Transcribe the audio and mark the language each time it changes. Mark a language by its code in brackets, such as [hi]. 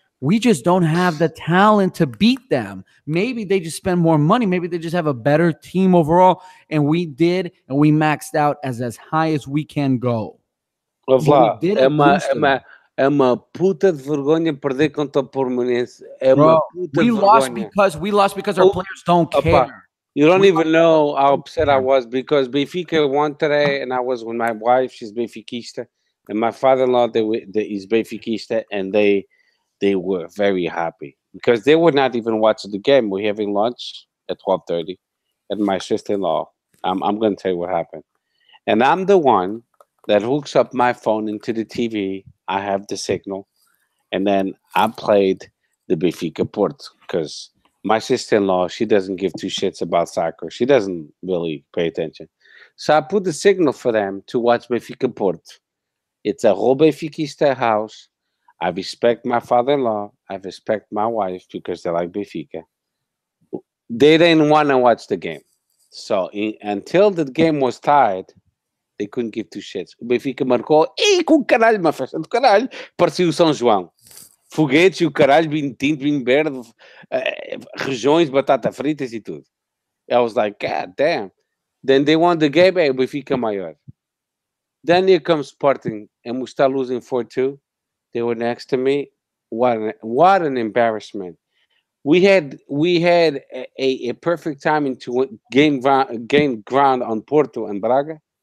[en] We just don't have the talent to beat them. Maybe they just spend more money. Maybe they just have a better team overall. And we did, and we maxed out as high as we can go. [pt] Vlá, é uma puta de vergonha perder contra o Portimonense. [en] We lost because our players don't care. You don't even know how upset I was, because Benfica won today, and I was with my wife. She's Benfiquista, and my father-in-law, he's Benfiquista, and they were very happy because they were not even watching the game. We're having lunch at 12:30, and my sister-in-law, I'm going to tell you what happened. And I'm the one that hooks up my phone into the TV. I have the signal, and then I played the Benfica Porto because – my sister-in-law, she doesn't give two shits about soccer. She doesn't really pay attention. So I put the signal for them to watch Benfica Porto. It's a whole Benfiquista house. I respect my father-in-law. I respect my wife because they like Benfica. They didn't want to watch the game. So until the game was tied, they couldn't give two shits. [pt] Benfica marcou. E com caralho, uma festa do caralho. Parecia o São João. Foguetes e o caralho, vinho tinto, vinho verde, regiões, batata fritas e tudo. [en] I was like, God damn. Then they won the game, hey, Benfica maior. Then here comes Sporting, and we start losing 4-2. They were next to me. What an embarrassment. We had a perfect timing to gain ground on Porto and Braga.